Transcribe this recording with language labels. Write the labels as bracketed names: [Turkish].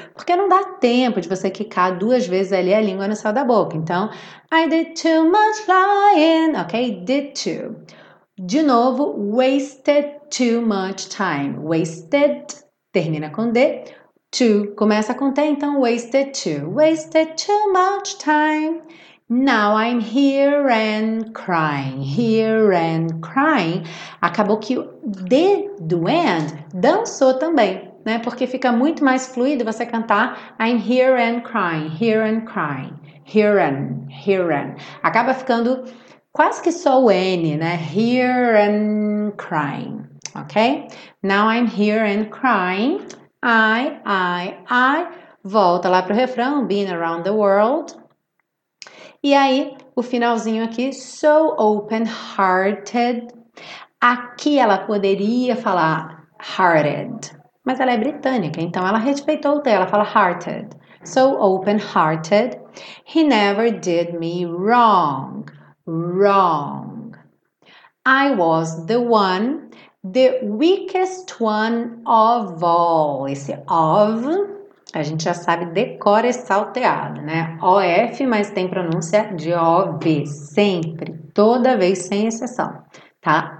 [Portuguese] Porque não dá tempo de você quicar duas vezes ali a língua no céu da boca. [English] Então, I did too much lying. Ok? Did too. De novo, wasted too much time. [Portuguese] Wasted, termina com D. Too, começa com T. [English] Então, wasted too. Wasted too much time. Now I'm here and crying, here and crying. [Portuguese] Acabou que o D do and dançou também, né? Porque fica muito mais fluido você cantar I'm here and crying, here and crying, here and, here and. Acaba ficando quase que só o N, né? [English] Here and crying, ok? Now I'm here and crying. I. [Portuguese] Volta lá pro refrão, been around the world. E aí, o finalzinho aqui, so open-hearted. Aqui ela poderia falar hearted, mas ela é britânica, então ela respeitou o T, ela fala hearted. [English] So open-hearted, he never did me wrong, wrong. I was the one, the weakest one of all. [Portuguese] Esse of, a gente já sabe, decora esse salteado, né? OF, mas tem pronúncia de OV, sempre, toda vez, sem exceção, tá?